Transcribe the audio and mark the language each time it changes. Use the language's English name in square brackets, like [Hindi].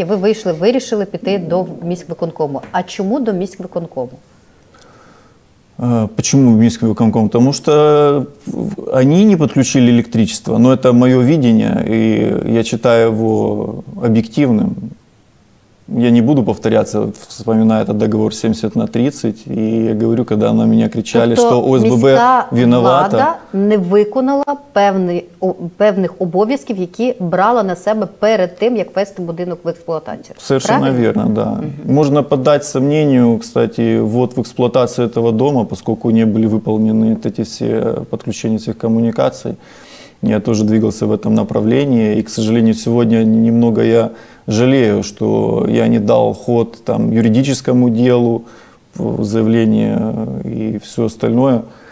[Ukrainian] І ви вийшли, вирішили піти до міськвиконкому. А чому до міськвиконкому? [Russian] Почему в Минском? Потому что они не подключили электричество, но это мое видение, и я считаю его объективным. Я не буду повторяться, вспоминая этот договор 70/30, и я говорю, когда на меня кричали, [Ukrainian] тобто, [Russian] что ОСББ виновата. [Ukrainian] Тобто влада не виконала певних обов'язків, які брала на себе перед тим, як вести будинок в експлуатацію. [Russian] Совершенно верно, да. Угу. [Ukrainian] Можна подати [Russian] сумнению, кстати, вот [Ukrainian] в експлуатацію [Russian] этого дома, поскольку не были выполнены эти все подключения всех коммуникаций. Я тоже двигался в этом направлении, и, к сожалению, сегодня немного я жалею, что я не дал ход там, юридическому делу, заявлению и все остальное.